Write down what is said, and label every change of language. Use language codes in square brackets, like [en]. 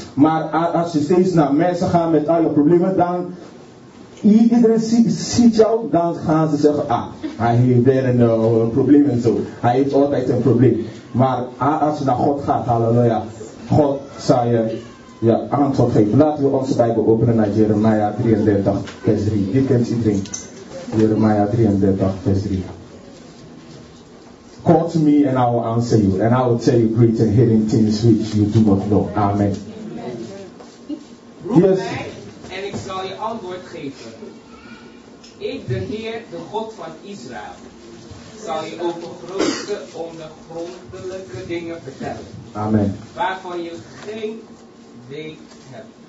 [nl] Maar als je steeds naar mensen gaat met al je problemen, dan iedereen ziet jou, dan gaan ze zeggen, ah, hij heeft weer een probleem en zo. Hij heeft altijd een probleem. Maar als je naar God gaat, halleluja, God zal je ja, antwoord geven. Laten we onze Bijbel openen naar Jeremia 33, vers 3. Dit kent iedereen. [en] Jeremiah 33, verse 3. Call to me and I will answer you, and I will tell you great and hidden things which you do not know. Amen. Amen. Yes. [nl] En ik zal je antwoord geven. Ik, de Heer, de God van Israël, zal je over grote ondergrondelijke dingen vertellen. Amen. Waarvan je geen weet hebt.